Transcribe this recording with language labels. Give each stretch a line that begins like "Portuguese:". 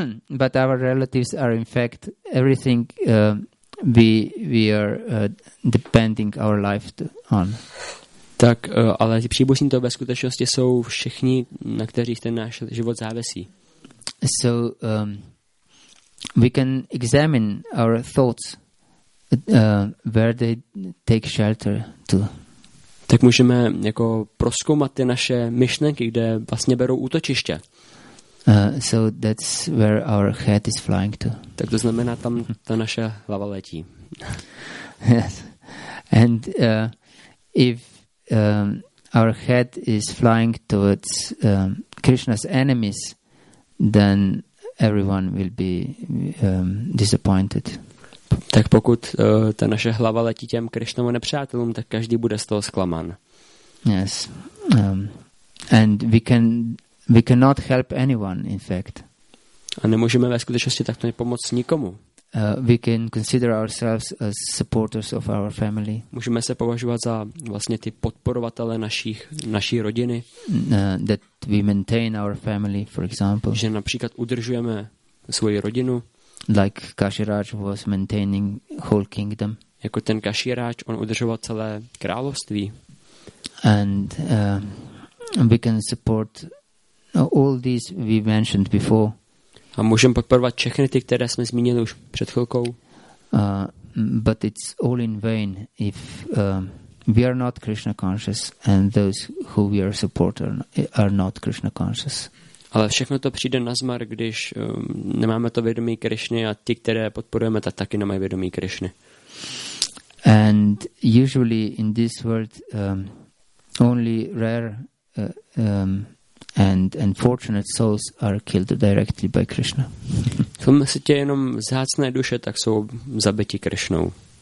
English: But our relatives are in fact everything we are depending our life on.
Czech: Tak, ale ti příbuzní to ve skutečnosti jsou všichni, na kterých ten náš život závisí.
English: So we can examine our thoughts where they take shelter to.
Czech: Tak můžeme jako prozkoumat ty naše myšlenky, kde vlastně berou útočiště.
English: So that's where our head is flying to.
Czech: Tak to znamená, tam ta naše hlava letí.
English: Yes. And if our head is flying towards Krishna's enemies, then everyone will be disappointed.
Czech: Tak pokud ta naše hlava letí těm Krishnovým nepřátelům, tak každý bude z toho zklamán.
English: Yes. And we cannot help anyone, in fact.
Czech: A nemůžeme ve skutečnosti takto pomoct nikomu.
English: We can consider ourselves as supporters of our family.
Czech: Můžeme se považovat za vlastně ty podporovatele naší rodiny.
English: That we maintain our family, for example.
Czech: Že například udržujeme svoji rodinu.
English: Like Kashiraj was maintaining whole kingdom.
Czech: Jako ten Kashiraj, on udržoval celé království.
English: And we can support all these we mentioned before.
Czech: A můžeme podporovat všechny ty, které jsme zmínili už před chvilkou.
English: But it's all in vain if we are not Krishna conscious and those who we are supporting are not Krishna conscious.
Czech: Ale všechno to přijde na zmar, když nemáme to vědomí Krišny a ti, které podporujeme, tak taky nemají vědomí Krišny.
English: And usually in this world only rare and unfortunate souls are killed directly by Krishna.
Czech: Když se tě jenom vzácné duše, tak jsou zabiti Krishnou.